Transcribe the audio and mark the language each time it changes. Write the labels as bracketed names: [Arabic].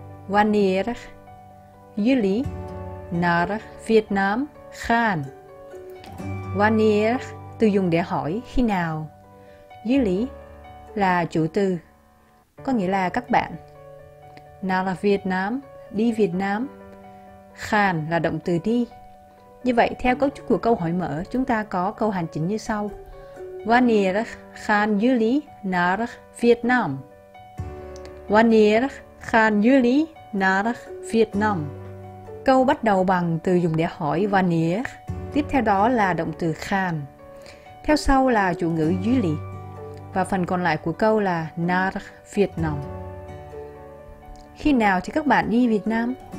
[Dutch] Wanneer jullie naar Vietnam gaan? [Vietnamese] Wanneer, từ dùng để hỏi khi nào. Jullie là chủ từ, có nghĩa là các bạn. Naar Vietnam, đi Việt Nam. Gaan là động từ đi. Như vậy, theo cấu trúc của câu hỏi mở, chúng ta có câu hành chính như sau. [Dutch] Wanneer gaan jullie naar Vietnam? Wanneer gaan jullie naar Vietnam? [Vietnamese] Câu bắt đầu bằng từ dùng để hỏi wanneer, tiếp theo đó là động từ gaan. Theo sau là chủ ngữ jullie và phần còn lại của câu là [Dutch] naar Vietnam. [Vietnamese] Khi nào thì các bạn đi Việt Nam?